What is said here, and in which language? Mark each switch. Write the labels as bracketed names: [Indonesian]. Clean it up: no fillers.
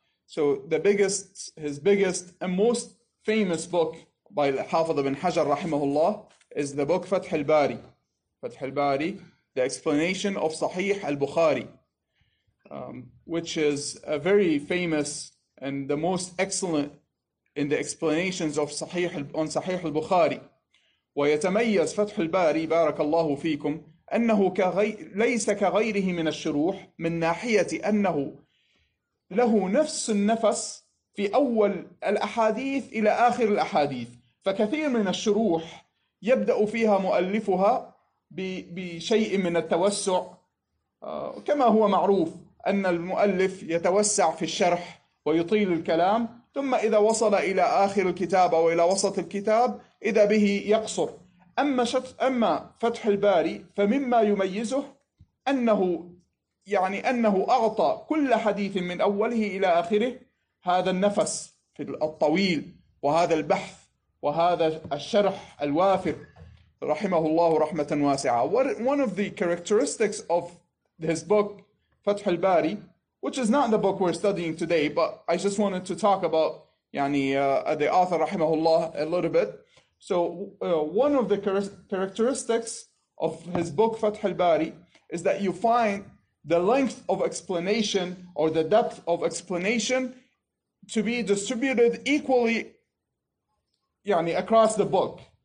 [English] So the biggest, his biggest and most famous book by الحافظ بن حجر [Arabic] رحمه الله [English] is the book فتح الباري. فتح الباري, the explanation of صحيح البخاري, which is a very famous and the most excellent in the explanations of صحيح on صحيح البخاري. [Arabic] ويتميز فتح الباري بارك الله فيكم أنه ليس كغيره من الشروح، من ناحية أنه له نفس النفس في أول الأحاديث إلى آخر الأحاديث. فكثير من الشروح يبدأ فيها مؤلفها بشيء من التوسع، كما هو معروف أن المؤلف يتوسع في الشرح ويطيل الكلام، ثم إذا وصل إلى آخر الكتاب أو إلى وسط الكتاب إذا به يقصر. أما فتح الباري فمما يميزه أنه أعطى كل حديث من أوله إلى آخره هذا النفس في الطويل، وهذا البحث، وهذا الشرح الوافر رحمه الله رحمة واسعة. [English] One of the characteristics of his book فتح الباري, which is not the book we're studying today, but I just wanted to talk about the author [Arabic] رحمه الله [English] a little bit. So one of the characteristics of his book فتح الباري is that you find the length of explanation or the depth of explanation to be distributed equally across the book.